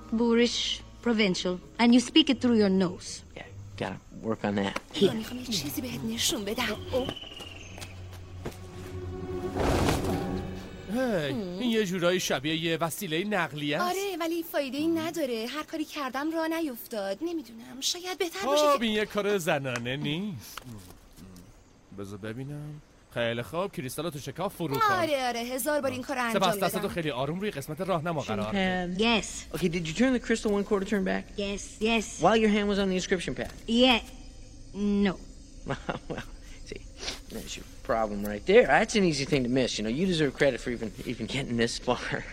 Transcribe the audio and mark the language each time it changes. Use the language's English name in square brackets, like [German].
[English] Boorish, provincial, and you speak it through your nose. Yeah, gotta work on that. Here. [Persian] بیا میخوام یه چیزی بهت نشون بدم. این یه جورایی شبیه یه وسیله نقلیه است. آره ولی فایده ای نداره. هر کاری کردم راه نیفتاد. نمیدونم، شاید بهتر باشه. خب این یه کار زنانه نیست. بذار ببینم. خیلی خوب کریستالا تو شکاف فرو کن. آره آره هزار بار این کارو انجام بدم. سپاس دستتو خیلی آروم روی قسمت راهنما قرار بده. [English] Yes. Okay, did you turn the crystal one quarter turn back? Yes. Yes. While your hand was on the inscription pad. Yeah. No. See, that's your problem right there. That's an easy thing to miss. You know, you deserve credit for even getting this far.